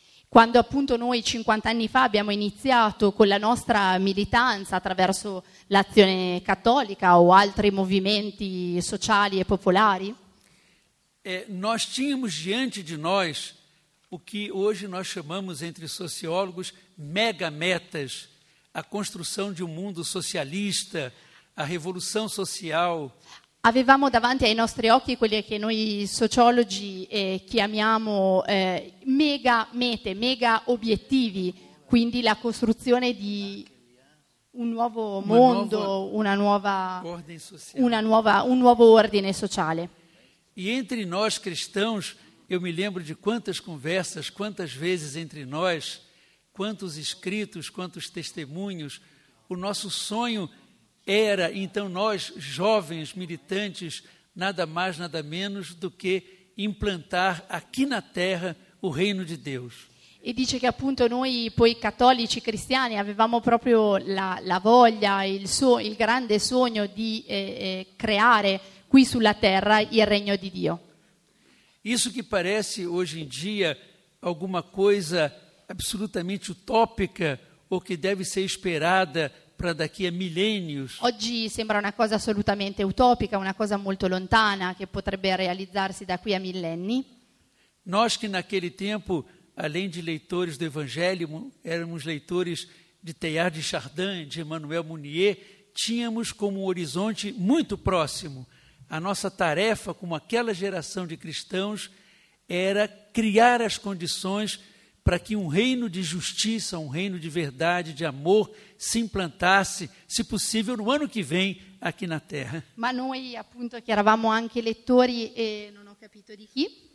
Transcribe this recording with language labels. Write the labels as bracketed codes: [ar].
[it] Quando appunto noi 50 anni fa abbiamo iniziato con la nostra militanza attraverso l'azione cattolica o altri movimenti sociali e popolari. [pt] Nós tínhamos diante de nós o que hoje nós chamamos, entre sociólogos, megametas, a construção de um mundo socialista, a revolução social. [it] Avevamo davanti ai nostri occhi quelle che noi sociologi chiamiamo mega mete, mega obiettivi, quindi la costruzione di un nuovo mondo, un nuovo ordine sociale. [pt] E entre nós cristãos, eu me lembro de quantas conversas, quantas vezes entre nós, quantos escritos, quantos testemunhos, o nosso sonho era, então nós, jovens militantes, nada mais, nada menos do que implantar aqui na terra o reino de Deus. [it] E dice che appunto noi poi cattolici cristiani avevamo proprio la voglia, il grande sogno di creare qui sulla terra il regno di Dio. [pt] Isso che parece hoje em dia alguma coisa absolutamente utopica o che deve ser esperada para daqui a milênios. [it] Oggi sembra una cosa assolutamente utopica, una cosa molto lontana che potrebbe realizzarsi da qui a millenni. [pt] Nós que naquele tempo, além de leitores do Evangelho, éramos leitores de Teilhard de Chardin, de Emmanuel Mounier, tínhamos como um horizonte muito próximo. A nossa tarefa, como aquela geração de cristãos, era criar as condições para que um reino de justiça, um reino de verdade, de amor, se implantasse, se possível, no ano que vem, aqui na Terra. [it] Mas noi, appunto, che eravamo anche lettori, e non ho capito di chi,